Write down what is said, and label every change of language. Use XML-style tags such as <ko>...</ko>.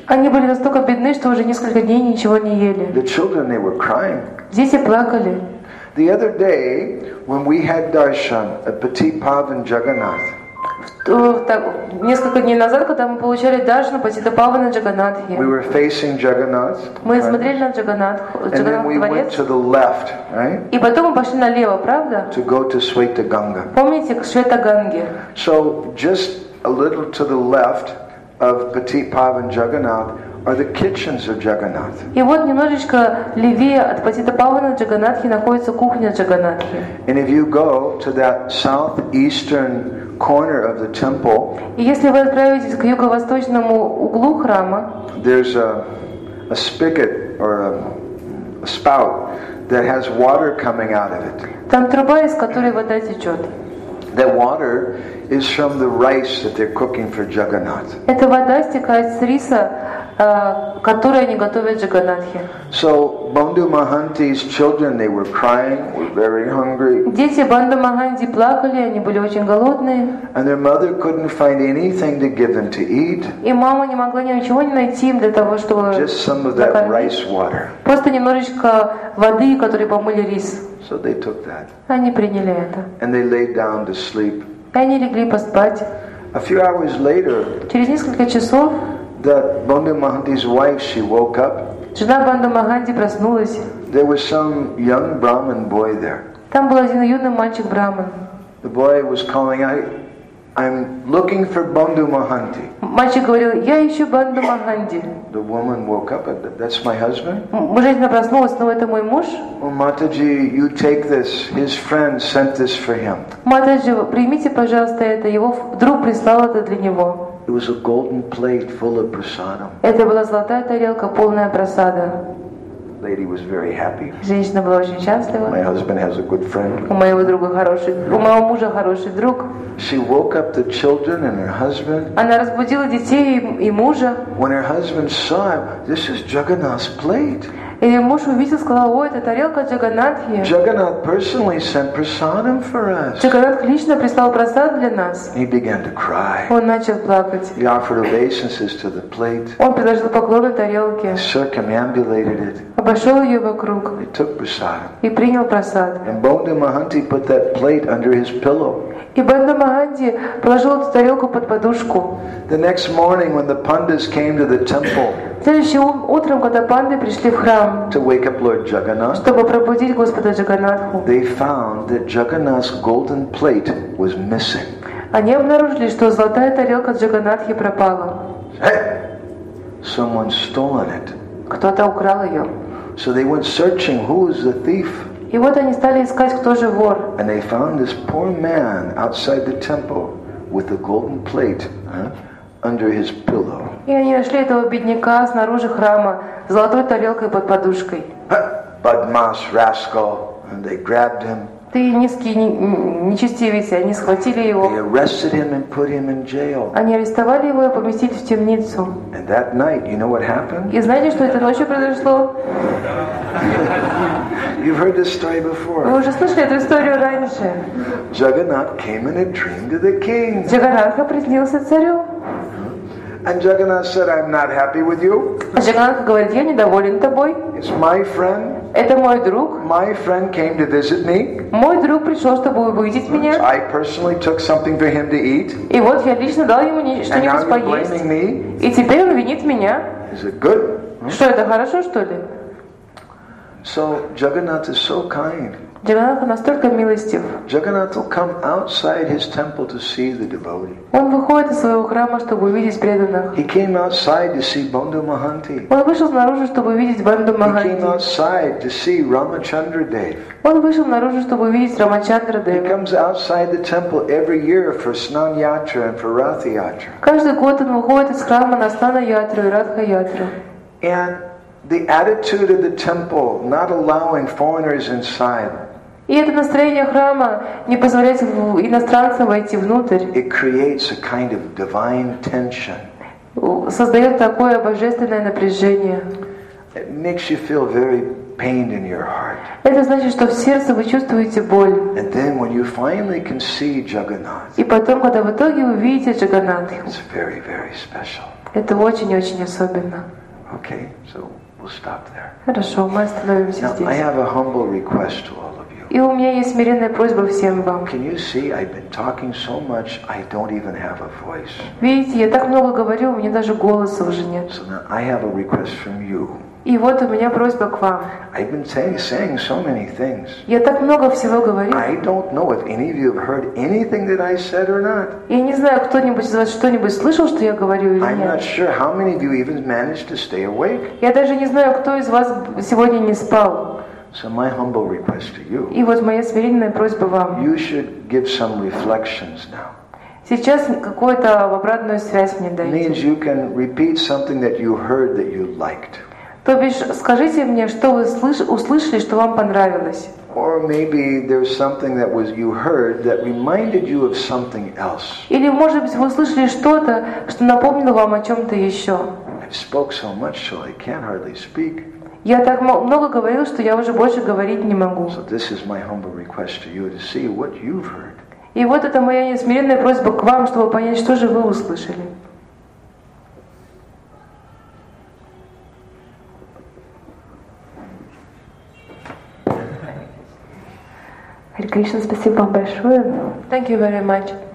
<ru>Они были настолько бедны, что уже несколько дней ничего не ели.</ru> <en>The children, they were crying.</en> <ru>Дети плакали.</ru> <en>The other day, when we had darshan at Patipavan Jagannath.</en> <ru>Несколько дней назад, когда мы получали даршан Патитапавана Джаганатхи.</ru> <en>We were facing Jagannath.</en> <ru>Мы смотрели на Джаганнатх, Джаганнатх дворец.</ru> <en>And then we went to the left, right?</en> <ru>И потом мы пошли налево, правда?</ru> <en>To go to Shweta Ganga.</en> <ru>Помните, к Швета Ганге.</ru> <en>So just a little to the left of Patipavan Jagannath are the kitchens of Jagannath.</en> <ru>И вот немножечко левее от Патитапавана Джаганатхи находится кухня Джаганнатхи.</ru> <en>And if you go to that southeastern corner of the temple.</en> <ru>И если вы отправитесь к юго-восточному углу храма,</ru> <en>there's a spigot or a spout that has water coming out of it.</en> <ru>Там труба, из которой вода течет.</ru> <en>That water is from the rice that they're cooking for Jagannath.</en> <ru>Эта вода стекает с риса, которую они готовят Джаганнатхе.</ru> <en>So Bandhu Mahanti's children, they were crying, were very hungry.</en> <ru>Дети Бандху Маханти плакали, они были очень голодные.</ru> <en>And their mother couldn't find anything to give them to eat.</en> <ru>И мама не могла ничего найти им для того, чтобы.</ru> <en>Just some of that rice water.</en> <ru>Просто немножечко воды, которой помыли рис.</ru> <en>So they took that.</en> <ru>Они приняли это.</ru> <en>And they laid down to sleep.</en> <ru>И они легли поспать.</ru> <en>A few hours later.</en> <ru>Через несколько часов.</ru> <en>That Bandhu Mahanti's wife, she woke up.</en> <ru>Жена Бандху Маханти проснулась.</ru> <en>There was some young Brahmin boy there.</en> <ru>Там был один юный мальчик-брахман.</ru> <en>The boy was calling out, I'm looking for Bandhu Mahanti.</en> <ru>Мальчик говорил, я ищу Бандху Маханти.</ru> <en>The woman woke up. That's my husband.</en> <ru>Женщина проснулась, но это мой муж.</ru> <en>Матаджи, you take this. His friend sent this for him.</en> <ru>Матаджи, примите, пожалуйста, это. Его друг прислал это для него.</ru> <en>It was a golden plate full of prasadam.</en> <ru>Это была золотая тарелка, полная прасада.</ru> <en>Lady was very happy.</en> <ru>Женщина была очень счастлива.</ru> <en>My husband has a good friend.</en> <ru>У моего друга хороший, у моего мужа хороший друг.</ru> <en>She woke up the children and her husband.</en> <ru>Она разбудила детей и мужа.</ru> <en>When her husband saw it, this is Jagannath's plate.</en> <ru>И муж увидел, сказал, о, это тарелка Джаганатхи.</ru> <en>Jagannath personally sent prasadam for us.</en> <ru>Джаганат лично прислал прасад для нас.</ru> <en>He began to cry.</en> <ru>Он начал плакать.</ru> <en>He offered obeisances to the plate.</en> <ru>Он предложил поклоны тарелке.</ru> <en>Circumambulated it.</en> <ru>Обошел ее вокруг.</ru> <en>He took prasadam.</en> <ru>И принял прасад.</ru> <en>And Bandhu Mahanti put that plate under his pillow.</en> <ru>И Бандха Маханти положил эту тарелку под подушку.</ru> <en>The next morning, when the pandas came to the temple.</en> <ru>Следующим утром, когда панды пришли в храм,</ru> <en>to wake up Lord Jagannath,</en> <ru>чтобы пробудить Господа Джаганатху,</ru> <en>they found that Jagannath's golden plate was missing.</en> <ru>Они обнаружили, что золотая тарелка Джаганатхи пропала.</ru> <en>Hey! Someone stole it.</en> <ru>Кто-то украл ее.</ru> <en>So they went searching, who is the thief?</en> <ru>И вот они стали искать, кто же вор.</ru> <en>And they found this poor man outside the temple with a golden plate, under his pillow.</en> <ru>И они нашли этого бедняка снаружи храма с золотой тарелкой под подушкой.</ru> <en>Badmas rascal, and they grabbed him.</en> <ru>Ты низкий нечестивец, они схватили его.</ru> <en>They arrested him and put him in jail.</en> <ru>Они арестовали его и поместили в темницу.</ru> <en>And that night, you know what happened?</en> <ru>И знаете, что этой ночью произошло?</ru> <en>You've heard this story before.</en> <ru>Вы уже слышали эту историю раньше.</ru> <en>Jagannath came in a dream to the king.</en> <ru>Джаганатха приснился царю.</ru> <en>And Jagannath said, "I'm not happy with you."</en> <ru>Джаганатха говорит, я недоволен тобой.</ru> <en>It's my friend.</en> <ru>Это мой друг.</ru> <en>My friend came to visit me.</en> <ru>Мой друг пришел, чтобы увидеть меня.</ru> <en>I personally took something for him to eat.</en> <ru>И вот я лично дал ему что-нибудь поесть.</ru> <en>And now you're blaming me.</en> <ru>И теперь он винит меня.</ru> <en>Is it good?</en> <ru>Что это хорошо, что ли?</ru> <en>So Jagannath is so kind.</en> <ru>Джаганатха настолько милостив.</ru> <en>Jagannath will come outside his temple to see the devotee.</en> <ru>Он выходит из своего храма, чтобы увидеть преданных.</ru> <en>He came outside to see Bandhu Mahanti.</en> <ru>Он вышел наружу, чтобы увидеть Бандху Маханти.</ru> <en>He came outside to see Ramachandra Dev.</en> <ru>Он вышел наружу, чтобы увидеть Рамачандра Дева.</ru> <en>He comes outside the temple every year for Snan Yatra and for Ratha Yatra.</en> <ru>Каждый год он выходит из храма на Снан Ятру и Ратха Ятру.</ru> <en>And the attitude of the temple not allowing foreigners inside.</en> <ru>И это настроение храма не позволять иностранцам войти внутрь.</ru> <en>It creates a kind of divine tension.</en> <ru>Создает такое божественное напряжение.</ru> <en>It makes you feel very pained in your heart.</en> <ru>Это значит, что в сердце вы чувствуете боль.</ru> <en>And then when you finally can see Jagannath.</en> <ru>И потом, когда в итоге вы видите Джаганатху.</ru> <en>It's very, very special.</en> <ru>Это очень-очень особенно.</ru> <en>Okay, so we'll stop there.</en> <ru>Хорошо, мы остановимся здесь.</ru> <en>Now, I have a humble request to all of you.</en> <ru>И у меня есть смиренная просьба всем вам.</ru> <en>Can you see, I've been talking so much, I don't even have a voice.</en> <ru>Видите, я так много говорю, у меня даже голоса уже нет.</ru> <en>So now, I have a request from you.</en> <ru>И вот у меня просьба к вам.</ru> <en>I've been saying so many things.</en> <ru>Я так много всего говорю.</ru> <en>I don't know if any of you have heard anything that I said or not.</en> <ru>Я не знаю, кто-нибудь из вас что-нибудь слышал, что я говорю или нет.</ru> <en>I'm not sure how many of you even managed to stay awake.</en> <ru>Я даже не знаю, кто из вас сегодня не спал.</ru> <en>So my humble request to you.</en> <ru>И вот моя смиренная просьба вам.</ru> <en>You should give some reflections now.</en> <ru>Сейчас какую-то обратную связь мне дайте.</ru> <en>Means you can repeat something that you heard that you liked.</en> <ru>То бишь, скажите мне, что вы услышали, что вам понравилось.</ru> <en>Or maybe there's something that was you heard that reminded you of something else.</en> <ru>Или, может быть, вы услышали что-то, что напомнило вам о чем-то еще.</ru> <en>I've spoke so much, so I can't hardly speak.</en> <ru>Я так много говорил, что я уже больше говорить не могу.</ru> <en>So this is my humble request to you to see what you've heard.</en> <ru>И вот это моя несмиренная просьба к вам, чтобы понять, что же вы услышали. Хари Кришна, спасибо вам большое.</ru> <en>Thank you very much.</en>